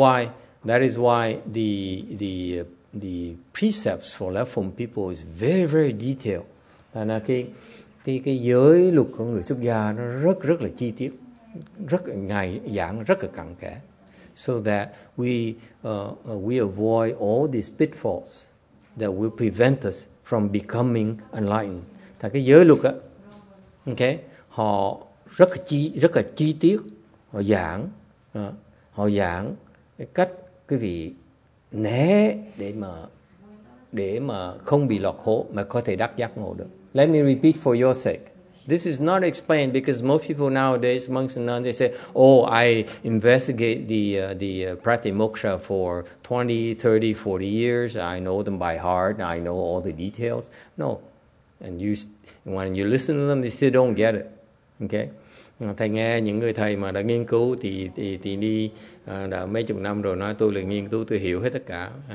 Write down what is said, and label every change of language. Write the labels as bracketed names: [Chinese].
[English] So that is why the precepts for left home people is very very detailed. [Vietnamese] Tại là cái giới luật của người xuất gia nó rất là chi tiết. Rất ngày giảng rất là cặn kẽ, [English] so that we avoid all these pitfalls that will prevent us from becoming enlightened. [Vietnamese] Tại cái giới luật á, okay, họ rất là chi tiết, họ giảng cái cách quý vị né để mà không bị lọt hố mà có thể đắc giác ngộ được. [English] Let me repeat for your sake. This is not explained because most people nowadays, monks and nuns, they say, oh, I investigate the pratimoksha for 20, 30, 40 years. I know them by heart. I know all the details. No. And you, when you listen to them, they still don't get it. Okay? [Vietnamese] Thầy nghe những người thầy mà đã nghiên cứu thì đi đã mấy chục năm rồi nói tôi là nghiên cứu, tôi hiểu hết tất cả.